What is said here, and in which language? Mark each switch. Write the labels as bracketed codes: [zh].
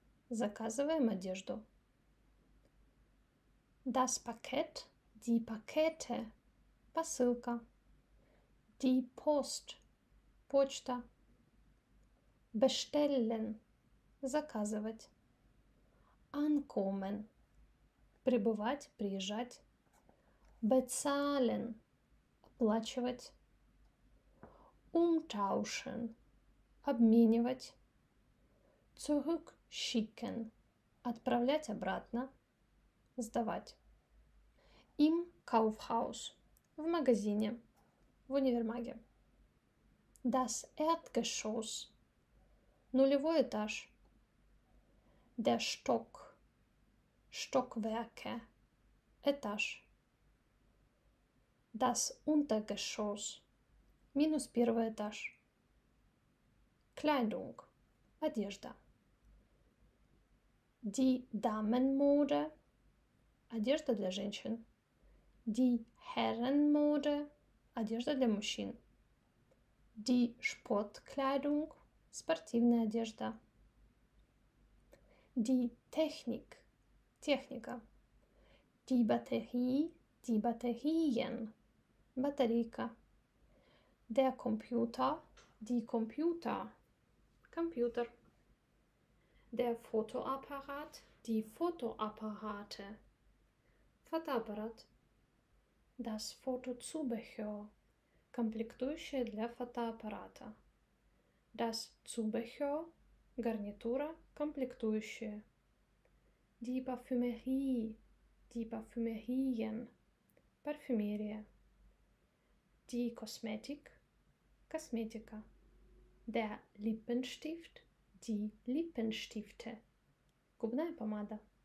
[ru] Заказываем одежду. [de] Das Paket, die Pakete, [ru] посылка. [de] Die Post, [ru] почта. [de] Bestellen, [ru] заказывать. [de] Ankommen, [ru] прибывать, приезжать. [de] Bezahlen, [ru] оплачивать. [de] Umtauschen, [ru] обменивать. [de] Zurückschicken, [ru] отправлять обратно, сдавать. [de] Im Kaufhaus, [ru] в магазине, в универмаге. [de] Das Erdgeschoss, [ru] нулевой этаж. [de] Der Stock, Stockwerke, [ru] этаж. [de] Das Untergeschoss, [ru] минус первый этаж. [de] Kleidung, [ru] одежда. [de] Die Damenmode, [ru] одежда для женщин. [de] Die Herrenmode, [ru] одежда для мужчин. [de] Die Sportkleidung, [ru] спортивная одежда. [de] Die Technik, [ru] техника. [de] Die Batterie, die Batterien, [ru] батарейка. [de] Der Computer, die Computer, [ru] компьютер. [de] Der Fotoapparat, die Fotoapparate, [ru] фотоаппарат. [de] Das Fotozubehör, [ru] комплектующее для фотоаппарата. [de] Das Zubehör, [ru] гарнитура, комплектующее. [de] Die Parfümerie, die Parfümerien, [ru] парфюмерия. [de] Die Kosmetik, [ru] косметика. [de] Der Lippenstift, die Lippenstifte, [ru] губная помада.